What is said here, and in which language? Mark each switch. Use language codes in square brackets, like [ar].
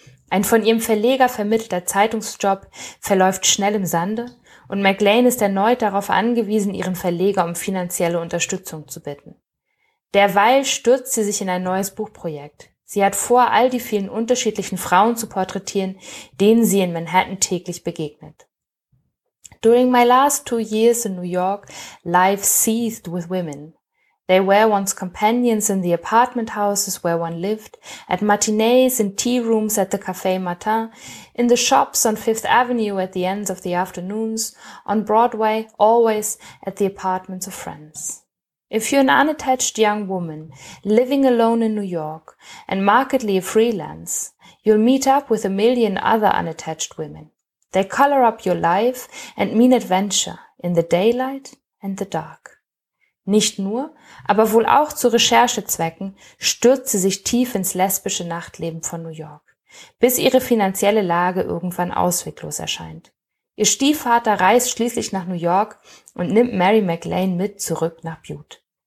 [de] Ein von ihrem Verleger vermittelter Zeitungsjob verläuft schnell im Sande und MacLane ist erneut darauf angewiesen, ihren Verleger um finanzielle Unterstützung zu bitten. Derweil stürzt sie sich in ein neues Buchprojekt. Sie hat vor, all die vielen unterschiedlichen Frauen zu porträtieren, denen sie in Manhattan täglich begegnet. [en] During my last 2 years in New York, life seethed with women. They were one's companions in the apartment houses where one lived, at matinees, in tea rooms at the Café Matin, in the shops on Fifth Avenue at the ends of the afternoons, on Broadway, always at the apartments of friends. If you're an unattached young woman living alone in New York and markedly a freelance, you'll meet up with a million other unattached women. They color up your life and mean adventure in the daylight and the dark. [de] Nicht nur, aber wohl auch zu Recherchezwecken stürzt sie sich tief ins lesbische Nachtleben von New York, bis ihre finanzielle Lage irgendwann ausweglos erscheint. Ihr Stiefvater reist schließlich nach New York und nimmt Mary MacLane mit zurück nach Bute.